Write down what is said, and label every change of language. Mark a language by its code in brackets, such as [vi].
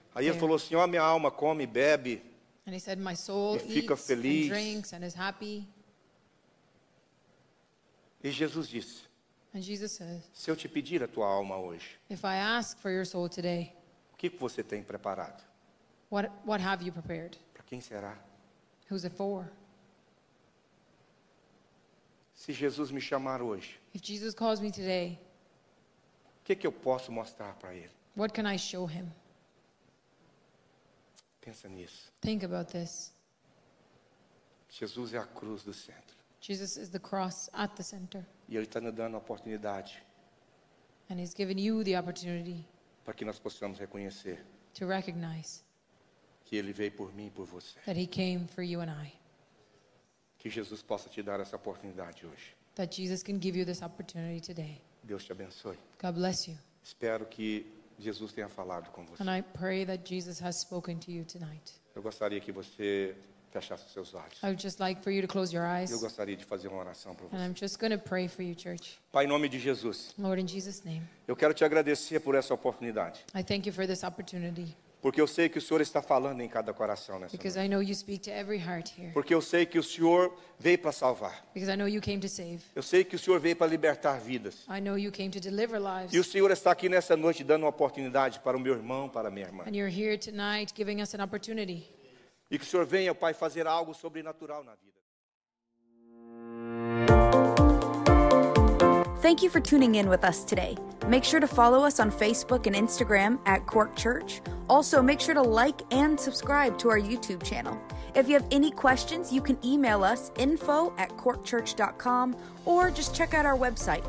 [pt] Aí ele falou assim, ó, minha alma come, bebe. [en] And he said, my soul eats [pt] feliz. [en] And drinks and is happy. [pt] E Jesus disse, [en] and Jesus says, [pt] se eu te pedir a tua alma hoje, [en] if I ask for your soul today, [pt] o que você tem preparado? [en] What have you prepared? [pt] Para quem será? [en] Who's it for? [pt] Se Jesus me chamar hoje, [en] if Jesus calls me today, [pt] o que eu posso mostrar para ele? [en] What can I show him? [pt] Pensa nisso. [en] Think about this. [pt] Jesus é a cruz do centro. [en] Jesus is the cross at the center. [pt] E ele está nos dando a oportunidade. [en] And he's given you the opportunity. [pt] Para que nós possamos reconhecer. [en] To recognize. [pt] Que ele veio por mim e por você. [en] That he came for you and I. [pt] Que Jesus possa te dar essa oportunidade hoje. [en] That Jesus can give you this opportunity today. [pt] Deus te abençoe. [en] God bless you. [pt] Espero que Jesus tenha falado com você. [en] And I pray that Jesus has spoken to you tonight. [pt] Eu gostaria que você fechasse os seus olhos. [en] I would just like for you to close your eyes. [pt] Eu gostaria de fazer uma oração para você. [en] And I'm just going to pray for you, church. [pt] Pai, em nome de Jesus. [en] Lord, in Jesus' name. [pt] Eu quero te agradecer por essa oportunidade. [en] I thank you for this opportunity. [pt] Porque eu sei que o Senhor está falando em cada coração nessa [en] Because [pt] noite. [en] I know you speak to every heart here. [pt] Porque eu sei que o Senhor veio para salvar. [en] Because I know you came to save. [pt] Eu sei que o Senhor veio para libertar vidas. [en] I know you came to deliver lives. [pt] E o Senhor está aqui nessa noite dando uma oportunidade para o meu irmão, para a minha irmã. [en] And you're here tonight giving us an opportunity. [pt] E que o Senhor venha, Pai, fazer algo sobrenatural na vida. [en] Thank you for tuning in with us today. Make sure to follow us on Facebook and Instagram at Cork Church. Also, make sure to like and subscribe to our YouTube channel. If you have any questions, you can email us info@corkchurch.com or just check out our website.